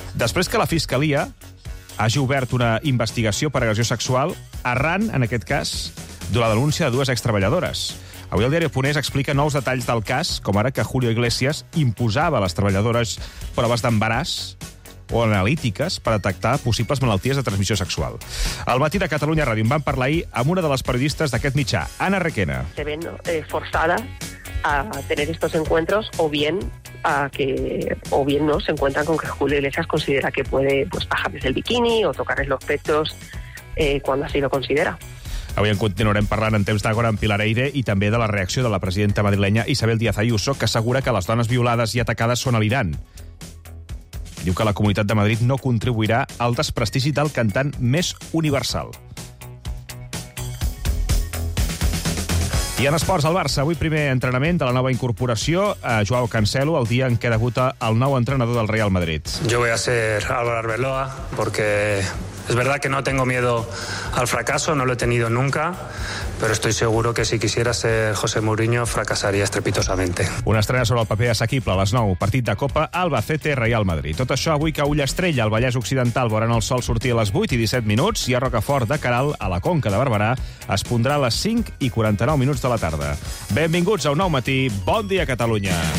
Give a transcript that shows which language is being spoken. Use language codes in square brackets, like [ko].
[ca] Després que la Fiscalia hagi obert una investigació per agressió sexual arran, en aquest cas, de la denúncia de dues extreballadores. Avui el diari Punès explica nous detalls del cas, com ara que Julio Iglesias imposava a les treballadores proves d'embaràs o analítiques per detectar possibles malalties de transmissió sexual. Al matí de Catalunya Ràdio en vam parlar ahir amb una de les periodistes d'aquest mitjà, Anna Requena. [es] Se ven forzadas a tener estos encuentros o bien no se encuentran con que Julio Iglesias considera que puede pues bajarles el bikini o tocarles los pechos cuando así lo considera. [ca] Avui en continuarem parlant en temps d'agora amb Pilar Eyre i també de la reacció de la presidenta madrilenya Isabel Díaz Ayuso, que assegura que les dones violades i atacades són a l'Iran. Diu que la Comunitat de Madrid no contribuirà al desprestigi del cantant més universal. I en esports, el Barça. Avui primer entrenament de la nova incorporació, Joao Cancelo, el dia en què debuta el nou entrenador del Real Madrid. [es] Yo voy a ser Álvaro Arbeloa, porque es verdad que no tengo miedo al fracaso, no lo he tenido nunca, pero estoy seguro que si quisiera ser José Mourinho fracasaría estrepitosamente. [ca] Una estrena sobre el paper assequible a les 9, partit de Copa Albacete-Real Madrid. Tot això avui que Ull Estrella, al Vallès Occidental, veuran el sol sortir a les 8 i 17 minuts i a Rocafort de Caral, a la Conca de Barberà, es pondrà a les 5 i 49 minuts de la tarda. Benvinguts a un nou matí. Bon dia, Catalunya.